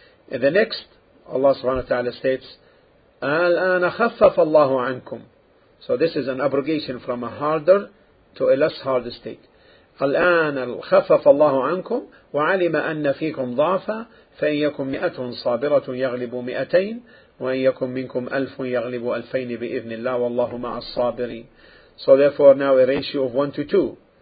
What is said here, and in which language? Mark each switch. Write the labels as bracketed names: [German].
[English] In the next, Allah subhanahu wa ta'ala states, [Arabic] الآن خفف الله عنكم. [English] So this is an abrogation from a harder to a less hard state. [Arabic] الآن خفف الله عنكم وعلم أن فيكم ضعفا فإن يكن مئة صابرة يغلب 200 وَإِنْ يَكُمْ مِنْكُمْ أَلْفٌ يَغْلِبُ أَلْفَيْنِ بِإِذْنِ اللَّهِ وَاللَّهُ مَعَ الصَّابِرِينَ. [English] So therefore now a ratio of 1 to 2.